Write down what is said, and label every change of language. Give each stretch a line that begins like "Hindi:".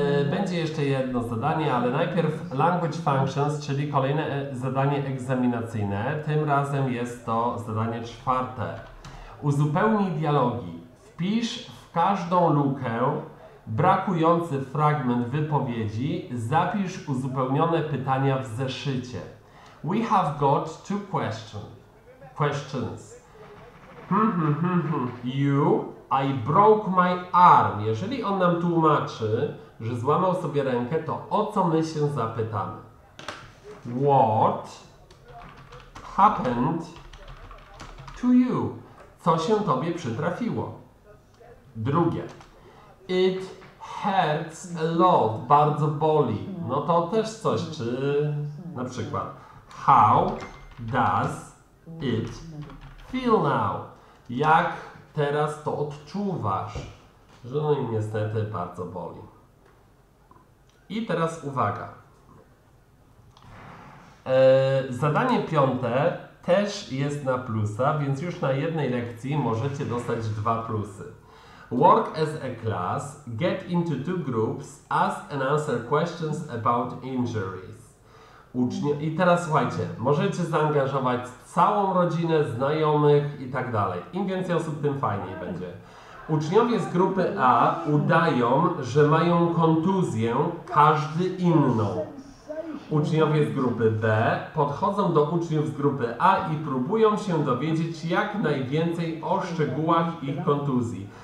Polish: Będzie jeszcze jedno zadanie, ale najpierw Language Functions, czyli kolejne zadanie egzaminacyjne. Tym razem jest to zadanie czwarte. Uzupełnij dialogi. Wpisz w każdą lukę brakujący fragment wypowiedzi. Zapisz uzupełnione pytania w zeszycie.
English: We have got two questions. You, I broke my arm.
Polish: Jeżeli on nam tłumaczy, że złamał sobie rękę, to o co my się zapytamy?
English: What happened to you?
Polish: Co się tobie przytrafiło? Drugie.
English: It hurts a lot.
Polish: Bardzo boli. No to też coś, czy na przykład.
English: How does it feel now?
Polish: Jak teraz to odczuwasz? Że no i niestety bardzo boli. I teraz uwaga. Zadanie piąte też jest na plusa, więc już na jednej lekcji możecie dostać dwa plusy.
English: Work as a class, get into two groups, ask and answer questions about injuries.
Polish: I teraz słuchajcie, możecie zaangażować całą rodzinę, znajomych i tak dalej. Im więcej osób, tym fajniej będzie. Uczniowie z grupy A udają, że mają kontuzję, każdy inną. Uczniowie z grupy B podchodzą do uczniów z grupy A i próbują się dowiedzieć jak najwięcej o szczegółach ich kontuzji.